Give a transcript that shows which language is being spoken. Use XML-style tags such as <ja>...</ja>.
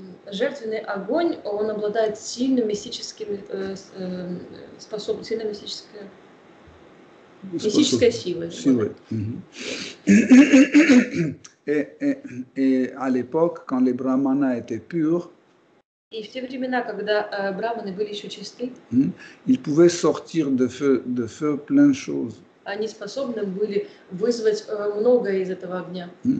<ru>Жертвенный огонь, он обладает сильным мистическим способностью, мистической силой.</ru> <fr>Et à l'époque, quand les brahmanas étaient purs,</fr> <ru>и в те времена, когда брахманы были еще чисты,</ru> <fr>ils pouvaient sortir de feu plein de choses.</fr> <ru>Они способны были вызвать многое из этого огня.</ru>